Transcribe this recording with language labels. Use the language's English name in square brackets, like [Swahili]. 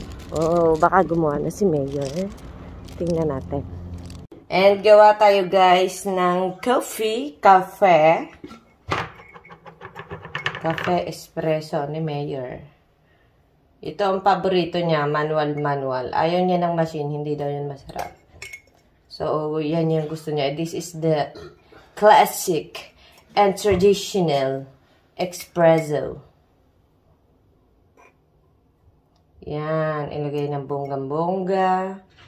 [Filipino] Oh, baka gumawa na si Mayor. Tingnan natin. And gawa tayo guys ng coffee, cafe. Cafe espresso ni Mayor. Ito ang paborito niya, manual-manual. Ayaw niya ng machine, hindi daw yun masarap. So, yan yung gusto niya. [English] This is the classic and traditional espresso. [Filipino] Yan. Ilagay ng bonggang-bongga.